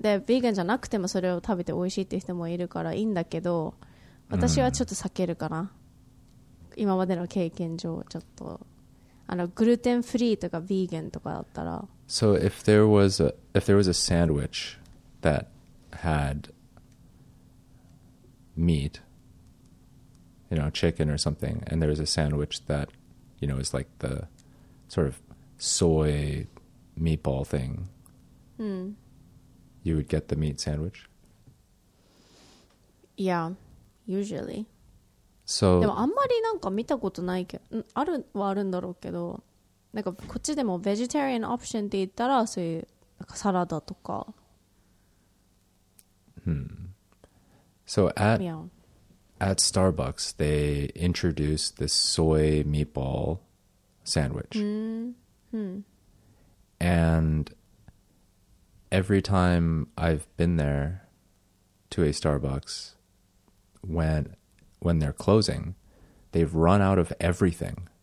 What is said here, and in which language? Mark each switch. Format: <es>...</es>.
<ja>で、vegan じゃなくてもそれを食べて美味しいって人もいるからいいんだけど、私はちょっと避けるかな。今までの経験上、ちょっと。あの、グルテンフリーとかビーゲンとかだったら。</ja> <en>So if there was a sandwich that had meat, you know, chicken or something, and there was a sandwich that, you know, is like the sort of soy meatball thing, you would get the meat sandwich? Yeah, usually. So,</en> <ja>でもあんまりなんか見たことないけど、あるはあるんだろうけど、なんかこっちでもベジタリアンオプションって言ったら、そういうなんかサラダとか。</ja> <en>So at Starbucks, they introduced this soy meatball sandwich. And every time I've been there to a Starbucks, when they're closing, they've run out of everything.</en>